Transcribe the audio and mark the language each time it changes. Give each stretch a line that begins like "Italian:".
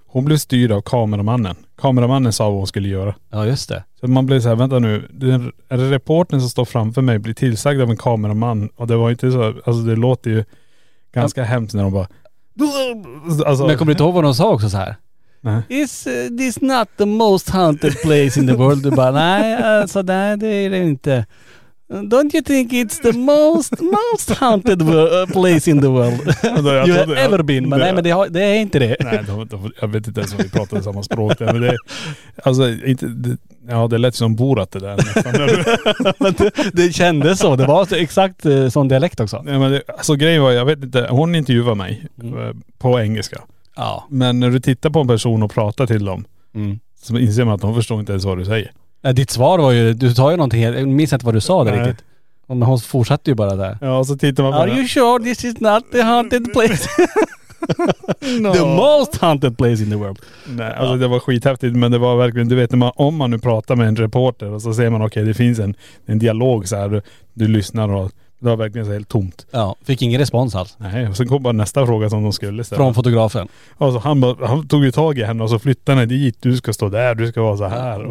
Swedish: Hon blev styrd av kameramannen. Kameramannen sa vad hon skulle göra. Ja, just det. Så man blir så här, vänta nu. Den reporten som står framför mig blir tillsagd av en kameraman. Och det var inte så, alltså det låter ju ganska, ja, hemskt när de bara... Alltså. Men jag kommer inte ihåg vad de sa också så här. Nej.
English: This not the most haunted place in the world.
Swedish: Du bara, nej, alltså nej, det är det inte.
English: Don't you think it's the most haunted place in the world you have ever been?
Swedish: Men nej, men det är inte det. Nej, jag vet inte ens om vi pratar samma språk. Men det, alltså, inte, det, ja, det lät som Borat det där. Men det kändes så. Det var så, exakt sån dialekt också. Nej, men det, alltså, grejen var, jag vet inte, hon intervjuade mig på engelska. Ja. Men när du tittar på en person och pratar till dem, så inser man att de förstår inte ens vad du säger. Ditt svar var ju, du sa ju någonting, jag minns inte vad du sa där riktigt. Men hon fortsatte ju bara där. Ja, så tittar man på det.
English: Are you sure this is not the haunted place? No. The most haunted place in the world.
Swedish: Nej, alltså det var skithäftigt, men det var verkligen, du vet, om man nu pratar med en reporter och så ser man, okej, det finns en dialog så här, du lyssnar och det var verkligen så helt tomt. Ja, fick ingen respons alls. Nej, och sen kom bara nästa fråga som de skulle ställa. Från fotografen. Alltså, han tog ju tag i henne och så flyttade henne dit. Du ska stå där, du ska vara så här.